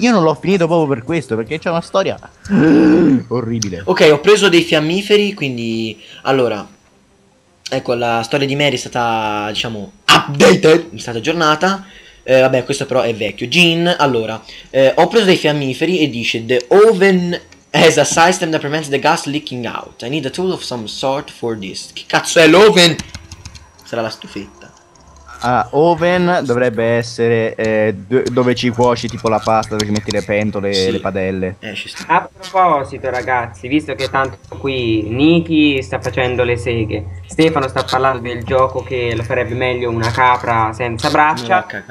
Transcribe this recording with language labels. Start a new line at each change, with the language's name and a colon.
Italian: Io non l'ho finito proprio per questo, perché c'è una storia orribile. Ok, ho preso dei fiammiferi, quindi... Allora, ecco, la storia di Mary è stata, diciamo, updated. È stata aggiornata. Vabbè, questo però è vecchio. Jean, allora, ho preso dei fiammiferi e dice...
English: The oven... As a system that prevents the gas leaking out. I need a tool of some sort for this.
Italian: Che cazzo è l'oven? Sarà la stufetta. Ah, oven dovrebbe essere dove ci cuoci tipo la pasta, dove ci metti le pentole, sì. Le padelle. Ci sta. A proposito, ragazzi, visto che tanto qui Niki sta facendo le seghe, Stefano sta parlando del gioco che lo farebbe meglio una capra senza braccia.